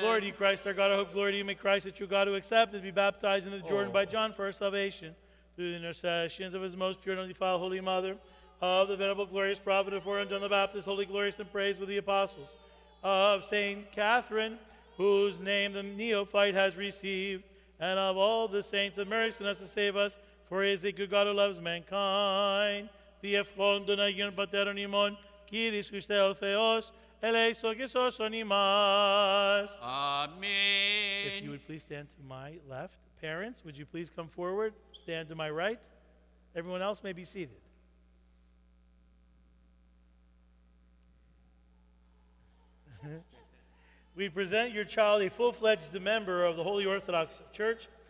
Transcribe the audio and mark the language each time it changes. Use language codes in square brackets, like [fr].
[en] Glory to you, Christ, our God, our hope, glory to you, may Christ, the true God, who accepted, be baptized in the Jordan by John for our salvation, through the intercessions of his most pure and undefiled Holy Mother, of the venerable, glorious prophet, of foreign John the Baptist, holy, glorious, and praise with the apostles, of Saint Catherine, whose name the neophyte has received, and of all the saints of mercy in us to save us, for he is a good God who loves mankind. [el] Τι ευχών των Αγίων Πατέρων ημών, Κύριος Χριστέ ο Θεός, ελέησον και σώσον ημάς. Αμήν. [en] If you would please stand to my left. Parents, would you please come forward? Stand to my right. Everyone else may be seated. We present your child a full-fledged member of the Holy Orthodox Church.